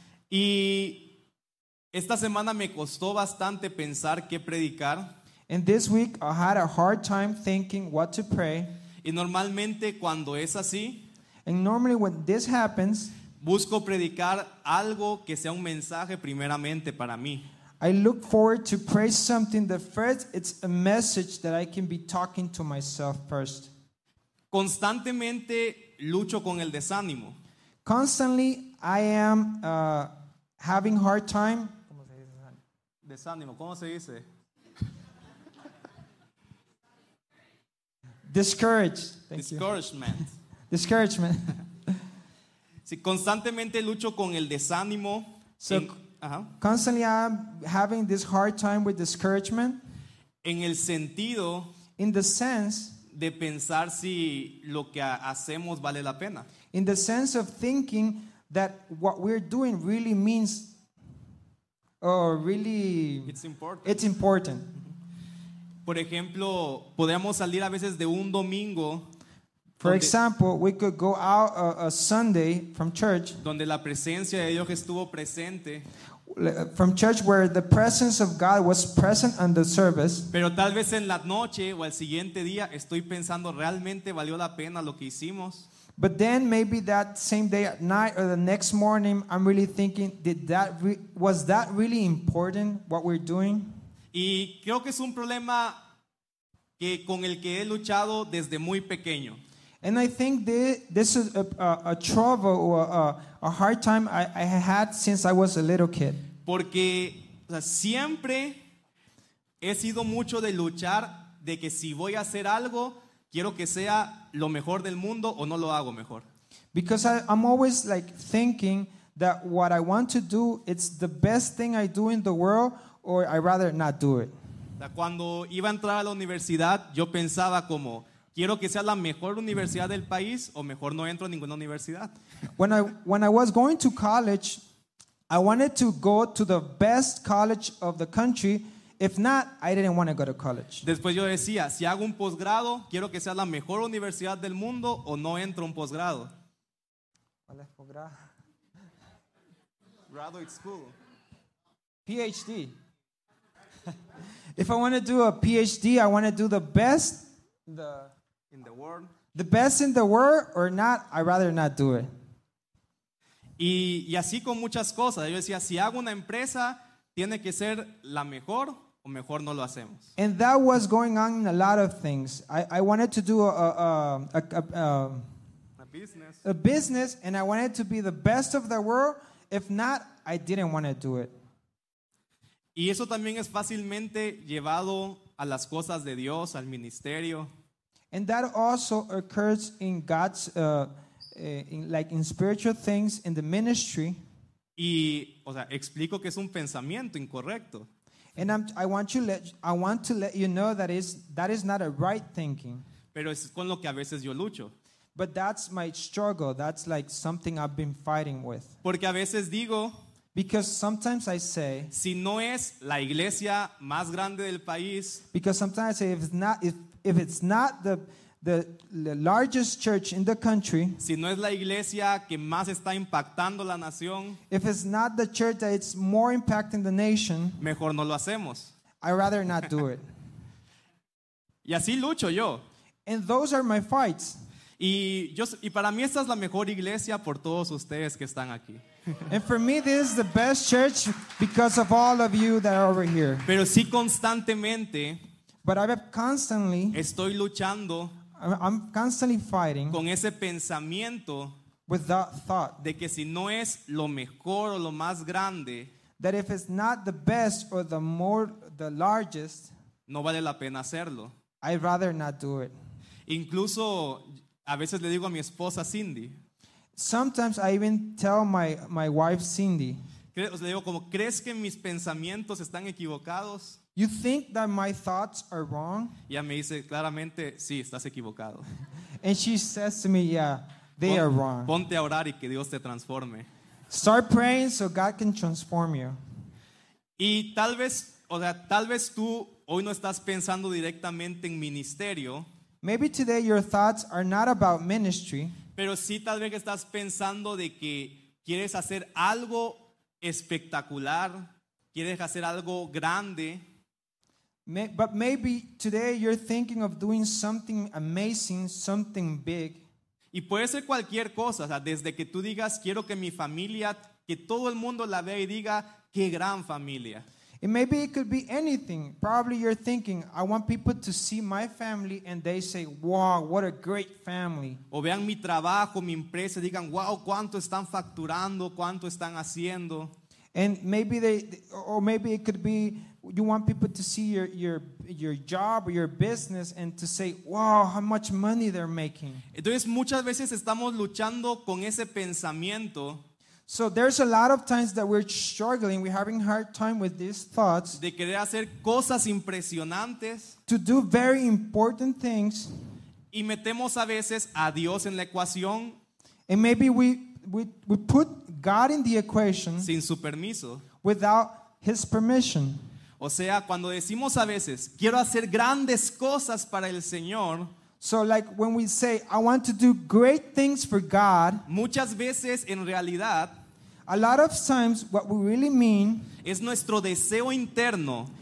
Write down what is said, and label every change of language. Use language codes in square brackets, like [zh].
[es] Y esta semana me costó bastante pensar qué predicar. [en] And this week I had a hard time thinking what to pray. [es] Y normalmente cuando es así, [en] and normally when this happens, [es] busco predicar algo que sea un mensaje primeramente para mí. [en] I look forward to pray something that first it's a message that I can be talking to myself first. [es] Constantemente lucho con el desánimo. [en] Constantly I am having hard time. [es] ¿Cómo se dice? Desánimo, ¿cómo se dice? [en] Discouragement. Thank Discouragement. [es] Si constantemente lucho con el desánimo. [en] Constantly I'm having this hard time with discouragement. [es] En el sentido, [en] in the sense, [es] de pensar si lo que hacemos vale la pena. [en] In the sense of thinking that what we're doing really means, or really, it's important. It's important. [es] Por ejemplo, podemos salir a veces de un domingo. [en] For example, we could go out a Sunday from church. [es] Donde la presencia de Dios estuvo presente. [en] From church where the presence of God was present on the service. [es] Pero tal vez en la noche o al siguiente día estoy pensando realmente valió la pena lo que hicimos. [en] But then maybe that same day at night or the next morning I'm really thinking was that really important what we're doing? [es] Y creo que es un problema que con el que he luchado desde muy pequeño. [en] And I think this is a trouble or a hard time I had since I was a little kid. [es] Porque o sea, siempre he sido mucho de luchar de que si voy a hacer algo, quiero que sea lo mejor del mundo o no lo hago mejor. [en] Because I'm always like thinking that what I want to do, it's the best thing I do in the world, or I'd rather not do it. [es] Cuando iba a entrar a la universidad, yo pensaba como, quiero que sea la mejor universidad del país o mejor no entro a ninguna universidad. [en] When I was going to college, I wanted to go to the best college of the country. If not, I didn't want to go to college. [es] Después yo decía, si hago un posgrado, quiero que sea la mejor universidad del mundo o no entro a un posgrado. ¿Cuál es posgrado? [en] Graduate school. PhD. If I want to do a PhD, I want to do the best in the world. The best in the world or not, I'd rather not do it. [es] Y así con muchas cosas. Yo decía, si hago una empresa, tiene que ser la mejor o mejor no lo hacemos. [en] And that was going on in a lot of things. I wanted to do a business and I wanted to be the best of the world. If not, I didn't want to do it. [es] Y eso también es fácilmente llevado a las cosas de Dios, al ministerio. [en] And that also occurs in God's, in spiritual things, in the ministry. [es] Y, o sea, explico que es un pensamiento incorrecto. [en] And I want to let you know that is not a right thinking. [es] Pero es con lo que a veces yo lucho. [en] But that's my struggle. That's like something I've been fighting with. [es] Porque a veces digo, [en] because sometimes I say, [es] si no es la iglesia más grande del país, [en] because sometimes I say, if it's not the the largest church in the country, [es] si no es la iglesia que más está impactando la nación, [en] if it's not the church that it's more impacting the nation, [es] mejor no lo hacemos. [en] I'd rather not do it. [es] Y así lucho yo. [en] And those are my fights. [es] Y para mí esta es la mejor iglesia por todos ustedes que están aquí. [en] And for me this is the best church because of all of you that are over here. [es] Pero sí constantemente, [en] but I'm constantly, [es] estoy luchando, [en] I'm constantly fighting, [es] con ese pensamiento, [en] with that thought, [es] de que si no es lo mejor o lo más grande, [en] that if it's not the best or the more, the largest, [es] no vale la pena hacerlo. [en] I'd rather not do it. [es] Incluso a veces le digo a mi esposa Cindy, [en] sometimes I even tell my wife Cindy, [es] le digo como, ¿crees que mis pensamientos están equivocados? [en] You think that my thoughts are wrong? [es] Ya me dice claramente, sí, estás equivocado. [en] And she says to me, yeah, they are wrong. [es] Ponte a orar y que Dios te transforme. [en] Start praying so God can transform you. [es] Y tal vez, o sea, tal vez tú hoy no estás pensando directamente en ministerio. [en] Maybe today your thoughts are not about ministry. [es] Pero sí tal vez estás pensando de que quieres hacer algo espectacular. Quieres hacer algo grande. [en] But maybe today you're thinking of doing something amazing, something big. [es] Y puede ser cualquier cosa, o sea, desde que tú digas, quiero que mi familia, que todo el mundo la vea y diga, qué gran familia. [en] And maybe it could be anything. Probably you're thinking, I want people to see my family and they say, wow, what a great family. [es] O vean mi trabajo, mi empresa, digan, wow, cuánto están facturando, cuánto están haciendo. [en] And maybe it could be you want people to see your job or your business and to say, wow, how much money they're making. [es] Entonces muchas veces estamos luchando con ese pensamiento. [en] So there's a lot of times that we're struggling, we're having a hard time with these thoughts. [es] De querer hacer cosas impresionantes. [en] To do very important things. [es] Y metemos a veces a Dios en la ecuación. [en] And maybe we put God in the equation [es] sin su permiso, [en] without his permission. [es] O sea, cuando decimos a veces, quiero hacer grandes cosas para el Señor. [en] So like when we say, I want to do great things for God. [es] Muchas veces en realidad, [en] a lot of times what we really mean [es] es nuestro deseo interno,